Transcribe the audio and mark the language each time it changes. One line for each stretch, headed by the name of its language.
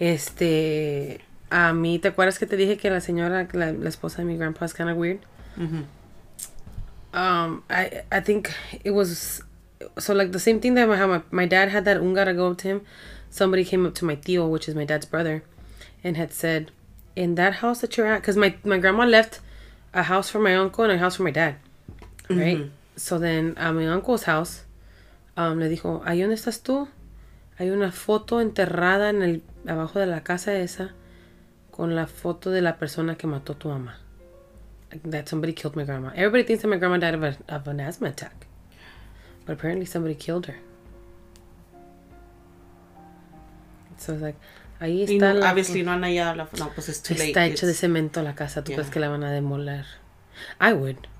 Spanish: Este, a mí, ¿te acuerdas que te dije que la señora, la esposa de mi grandpa,
English: is kind of weird? Mm-hmm. I think it was, so like the same thing that my dad had that ungara go up to him. Somebody came up to my tío, which is my dad's brother, and had said, in that house that you're at, because my grandma left a house for my uncle and a house for my dad, right? Mm-hmm. So then, at my uncle's house,
Spanish: le dijo, ¿ahí dónde estás tú? Hay una foto enterrada en el abajo de la casa esa con la foto de la persona que mató tu mamá.
English: That somebody killed my grandma. Everybody thinks that my grandma died of an asthma attack, but apparently somebody killed her. So it's like,
Spanish: ahí está. No, obviously, no han hallado la. No, pues es too
English: late.
Spanish: Está hecho de cemento la casa. ¿Tú
English: yeah.
Spanish: crees que la van a demoler?
English: I would.